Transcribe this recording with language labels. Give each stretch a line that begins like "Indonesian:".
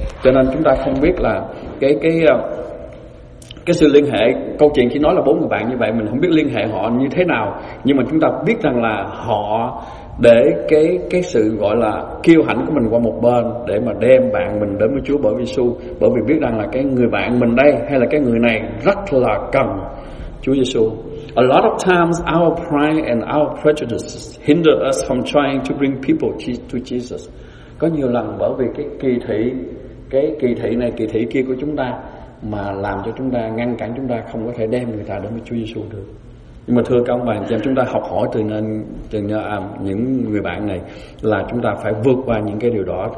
Vietnamese: Cho nên chúng ta không biết là cái sự liên hệ, câu chuyện chỉ nói là bốn người bạn như vậy, mình không biết liên hệ họ như thế nào, nhưng mà chúng ta biết rằng là họ để cái sự gọi là kiêu hãnh của mình qua một bên để mà đem bạn mình đến với Chúa bởi vì Giêsu, bởi vì biết rằng là cái người bạn mình đây hay là cái người này rất là cần Chúa Giêsu.
English: A lot of times our pride and our prejudices hinder us from trying to bring people to Jesus.
Vietnamese: Có nhiều lần bởi vì cái kỳ thị này kỳ thị kia của chúng ta, mà làm cho chúng ta, ngăn cản chúng ta không có thể đem người ta đến với Chúa Giêsu được. Nhưng mà thưa các ông bà anh chị em, chúng ta học hỏi từ những người bạn này là chúng ta phải vượt qua những cái điều đó.